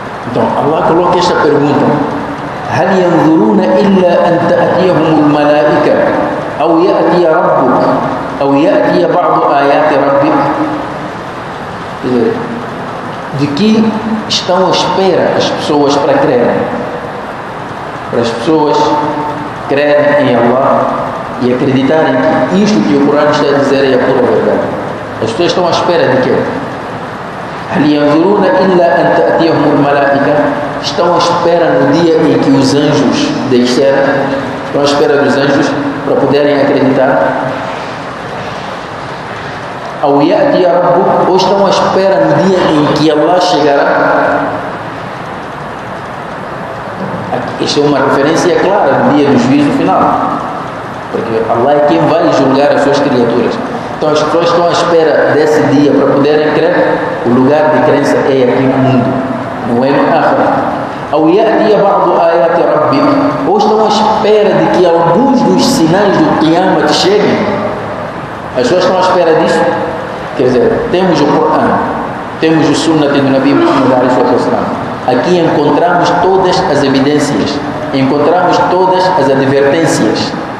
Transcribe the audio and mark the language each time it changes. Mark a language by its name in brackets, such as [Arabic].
[Portuguese] Então, Allah coloca esta pergunta: [Arabic] هَلْ يَنْظُرُونَ إِلَّا أَنْ تَأْتِيَهُمُ الْمَلَائِكَ أَوْ يَأْتِيَ رَبُّكَ أَوْ يَأْتِيَ بَعْضُ آيَاتِ رَبِّكَ. [Portuguese] De que estão à espera as pessoas para crerem? Para as pessoas crerem em Allah e acreditarem que isto que o Corão está a dizer é a pura verdade. As pessoas estão à espera de quê? [Arabic] هَلْ يَنْظُرُونَ إِلَّا أَنْ تَأْتِيَهُمُ الْمَلَائِكَ. [Portuguese] Estão à espera no dia em que os anjos desceram. Estão à espera dos anjos para poderem acreditar. Ao [Arabic] يَأْتِيَ رَبُّكَ. [Portuguese] Ou estão à espera no dia em que Allah chegará. Isto é uma referência clara do dia do juízo final. Porque Allah é quem vai julgar as suas criaturas. Então as pessoas estão à espera desse dia para poderem crer. O lugar de crença é aqui no mundo, não é no Akhira. Ou [Arabic] يَأْتِيَ بَعْضُ آيَاتِ رَبِّكَ. [Portuguese] Ou estão à espera de que alguns dos sinais do Qiyamah te cheguem. As pessoas estão à espera disso. Quer dizer, temos o Corão, temos o Sunnah do Nabi Muhammad SAW. Aqui encontramos todas as evidências, encontramos todas as advertências.